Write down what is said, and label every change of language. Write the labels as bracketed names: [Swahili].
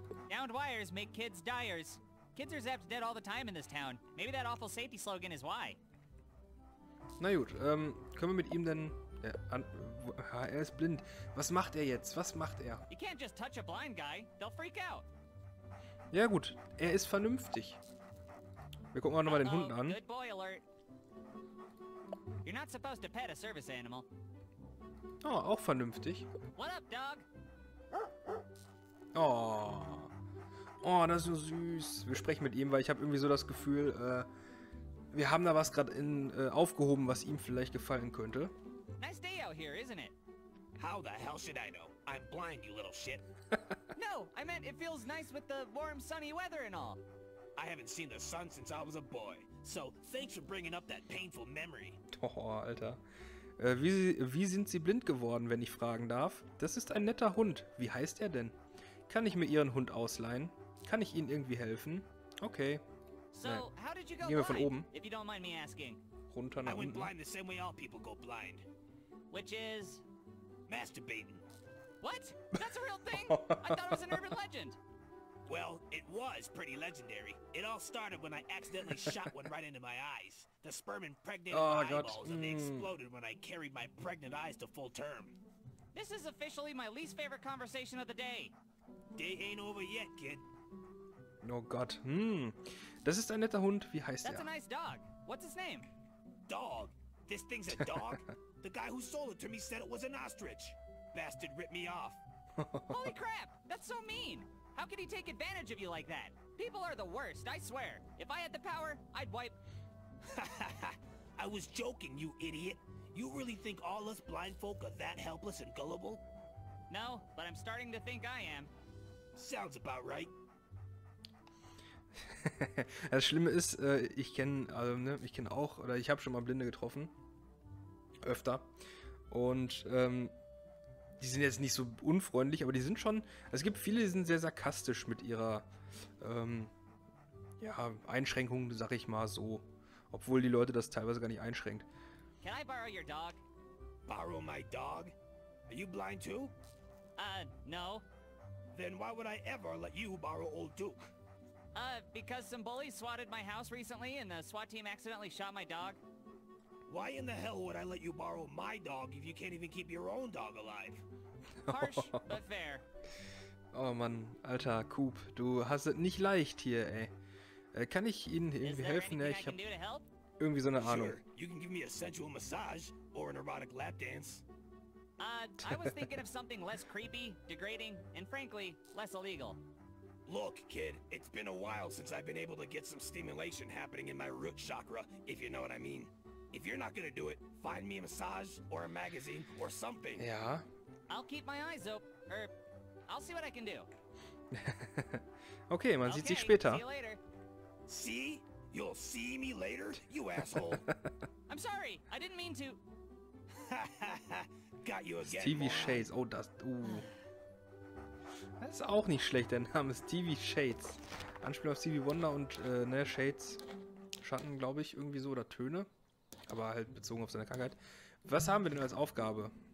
[English] Downed wires make kids dyers. Kids are zapped dead all the time in this town. Maybe that awful safety slogan is why. [German] Na gut, können wir mit ihm denn... Er ist blind. Was macht er jetzt? Was macht er? [English] You can't just touch a blind guy. They'll freak out. [German] Ja gut, er ist vernünftig. Wir gucken auch nochmal den Hund an. [English] Good boy alert. You're not supposed to pet a service animal. [German] Oh, auch vernünftig. [English] What up, dog? [German] Oh, das ist so süß. Wir sprechen mit ihm, weil ich habe irgendwie so das Gefühl, wir haben da was gerade aufgehoben, was ihm vielleicht gefallen könnte. [English] Nice day out here, isn't it? How the hell should I know? I'm blind, you little shit. No, I meant it feels nice with the warm, sunny weather and all. I haven't seen the sun since I was a boy. So, thanks for bringing up that painful memory. [German] Oh, Alter. Wie sind Sie blind geworden, wenn ich fragen darf? Das ist ein netter Hund. Wie heißt er denn? Kann ich mir Ihren Hund ausleihen? Kann ich Ihnen irgendwie helfen? Okay. [English] So, how did you go [German] Gehen wir von oben. [English] If you don't mind me asking. [German] Runter nach [English] I went blind the same way all people go blind. Which is? Masturbating. What? That's a real thing? I thought it was an urban legend. Well, it was pretty legendary. It all started when I accidentally shot one right into my eyes. The sperm impregnated my eyeballs, and they exploded when I carried my pregnant eyes to full term. This is officially my least favorite conversation of the day. Day ain't over yet, kid. [German] Oh Gott, Das ist ein netter Hund, wie heißt [English] That's a nice dog. What's his name? Dog? This thing's a dog? The guy who sold it to me said it was an ostrich. Bastard ripped me off. Holy crap, that's so mean. How could he take advantage of you like that? People are the worst, I swear. If I had the power, I'd wipe... I was joking, you idiot. You really think all us blind folk are that helpless and gullible? No, but I'm starting to think I am. Sounds about right. [German] Das Schlimme ist, ich kenne, also, ne, ich kenne auch, oder ich habe schon mal Blinde getroffen. Öfter. Und die sind jetzt nicht so unfreundlich, aber die sind schon, es gibt viele, die sind sehr sarkastisch mit ihrer Einschränkung, sag ich mal so. Obwohl die Leute das teilweise gar nicht einschränkt. [English] Can I borrow your dog? Borrow my dog? Are you blind too? No. Then why would I ever let you borrow old Duke? Because some bullies swatted my house recently and the SWAT team accidentally shot my dog. Why in the hell would I let you borrow my dog if you can't even keep your own dog alive? Harsh, but fair. [German] Oh Mann, alter Coop, du hast es nicht leicht hier, ey. Kann ich Ihnen irgendwie helfen? Ich habe irgendwie so eine Ahnung. [English] Sure, you can give me a sensual massage or an erotic lap dance. I was thinking of something less creepy, degrading, and frankly, less illegal. Look, kid, it's been a while since I've been able to get some stimulation happening in my root chakra, if you know what I mean. If you're not gonna do it, find me a massage or a magazine or something. [German] Ja. [English] I'll keep my eyes open, I'll see what I can do. [German] Okay, man sieht sich später. [English] See you later. See? You'll see me later, you asshole. I'm sorry, I didn't mean to. Got you again, [German] TV Shades, oh, das, Das ist auch nicht schlecht, der Name ist TV Shades. Anspiel auf TV Wonder und Shades. Schatten, glaube ich, irgendwie so, oder Töne. Aber halt bezogen auf seine Krankheit. Was haben wir denn als Aufgabe?